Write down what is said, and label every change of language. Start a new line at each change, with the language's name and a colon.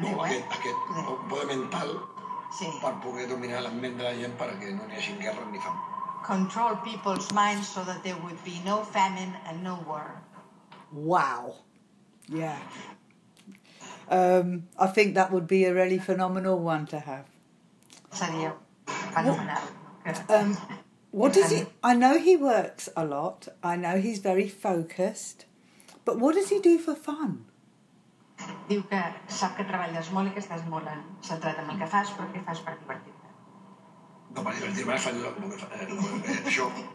Catalan: no, aquest poder mental per poder dominar les ments de la gent perquè no n'hi hagi guerra ni fam.
English: Control people's minds so that there would be no famine and no war. Wow. Yeah. I think that would be a really phenomenal one to have.
Catalan: Seria fenomenal.
English: What does he... I know he works a lot. I know he's very focused. But what does he do for fun?
Catalan: Diu que sap que treballes molt i que estàs molt centrat en el que fas, però què fas per divertir-te? No, per divertir-me faig el que fa, això.